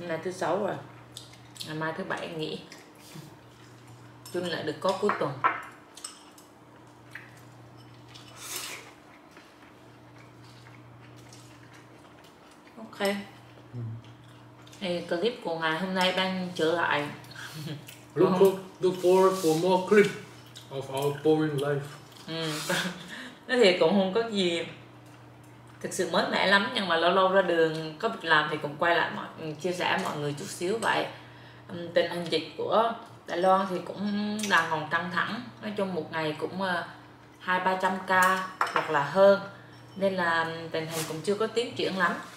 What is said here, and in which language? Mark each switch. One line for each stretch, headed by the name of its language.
Vietnamese: Hôm nay thứ sáu rồi. Ngày mai thứ bảy nghỉ. Chung lại được có cuối tuần. Ok. Mm-hmm. Thì clip của ngày hôm nay đang trở lại.
English: look for more clip of our boring life.
Vietnamese: Nó thì cũng không có gì thực sự mới mẻ lắm, nhưng mà lâu lâu ra đường có việc làm thì cũng quay lại mọi chia sẻ mọi người chút xíu vậy. Tình hình dịch của Đài Loan thì cũng đang còn căng thẳng, nói chung một ngày cũng 200-300 ca hoặc là hơn, nên là tình hình cũng chưa có tiến triển lắm.